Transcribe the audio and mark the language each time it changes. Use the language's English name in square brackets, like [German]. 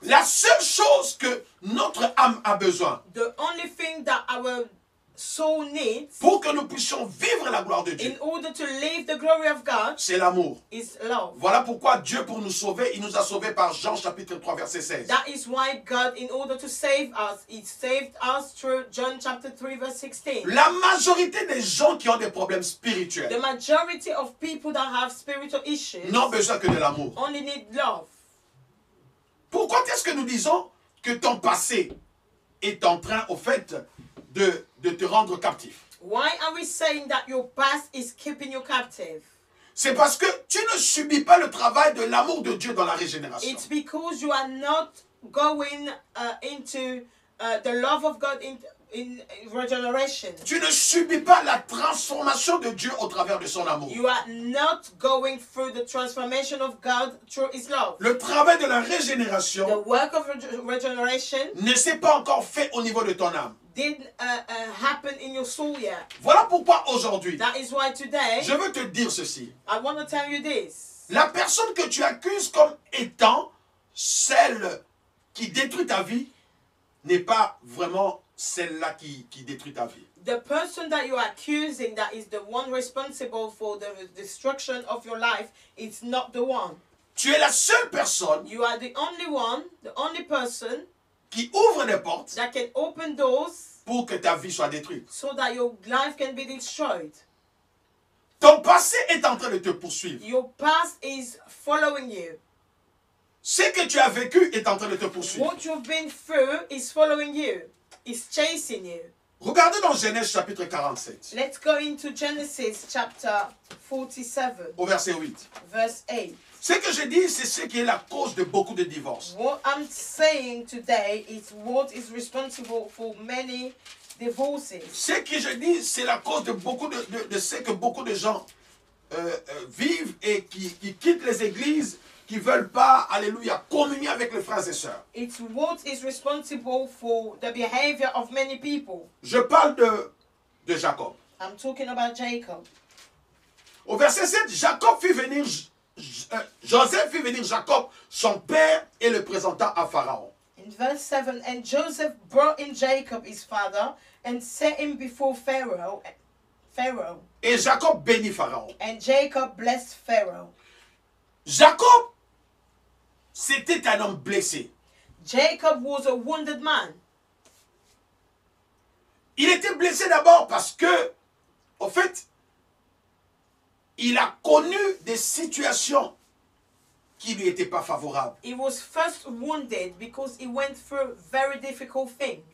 [French] La seule chose que notre âme a besoin. [English] The only thing that our soul needs. [French] Pour que nous puissions vivre la gloire de Dieu. [English] In order to live the glory of God. [French] C'est l'amour. [English] Is love. [French] Voilà pourquoi Dieu, pour nous sauver, il nous a sauvés par Jean chapitre 3 verset 16. [English] That is why God, in order to save us, he saved us through John chapter 3 verse 16. [French] La majorité des gens qui ont des problèmes spirituels. [English] The majority of people that have spiritual issues. [French] N'ont besoin que de l'amour. [English] Only need love. [French] Pourquoi est-ce que nous disons que ton passé est en train, au fait, de te rendre captif. [English] Why are we saying that your past is keeping you captive? [French] C'est parce que tu ne subis pas le travail de l'amour de Dieu dans la régénération. [English] It's because you are not going into the love of God in regeneration. [French] Tu ne subis pas la transformation de Dieu au travers de son amour. [English] You are not going through the transformation of God through his love. [French] Le travail de la régénération. [English] The work of regeneration. [French] Ne s'est pas encore fait au niveau de ton âme. [English] Didn't happen in your soul yet. [French] Voilà pourquoi aujourd'hui. [English] That is why today. [French] Je veux te dire ceci. [English] I want to tell you this. [French] La personne que tu accuses comme étant celle qui détruit ta vie n'est pas vraiment celle-là qui détruit ta vie. [English] The person that you are accusing that is the one responsible for the destruction of your life is not the one. [French] Tu es la seule personne. [English] You are the only one, the only person. [French] Qui ouvre les portes [English] that can open doors [French] pour que ta vie soit détruite. [English] So that your life can be destroyed. [French] Ton passé est en train de te poursuivre. [English] Your past is following you. [French] Ce que tu as vécu est en train de te poursuivre. [English] What you've been through is following you. It's chasing you. [French] Regardez dans Genèse chapitre 47. [English] Let's go into Genesis chapter 47. [French] Au verset 8. [English] Verse 8. [French] Ce que je dis, c'est ce qui est la cause de beaucoup de divorces. [English] What I'm saying today is what is responsible for many divorces. [French] Ce que je dis, c'est la cause de beaucoup de ce que beaucoup de gens vivent et qui quittent les églises, qui veulent pas, alléluia, communier avec les frères et sœurs. [English] It's what is responsible for the behavior of many people. [French] Je parle de Jacob. [English] I'm talking about Jacob. [French] Au verset 7, Jacob fit venir Joseph fit venir Jacob, son père, et le présenta à Pharaon. [English] In verse 7, and Joseph brought in Jacob, his father, and set him before Pharaoh. [French] Et Jacob bénit Pharaon. [English] And Jacob blessed Pharaoh. [French] Jacob, c'était un homme blessé. [English] Jacob was a wounded man. [French] Il était blessé d'abord parce que, au fait, il a connu des situations qui lui étaient pas favorables. [English] He was first wounded because he went through very difficult things.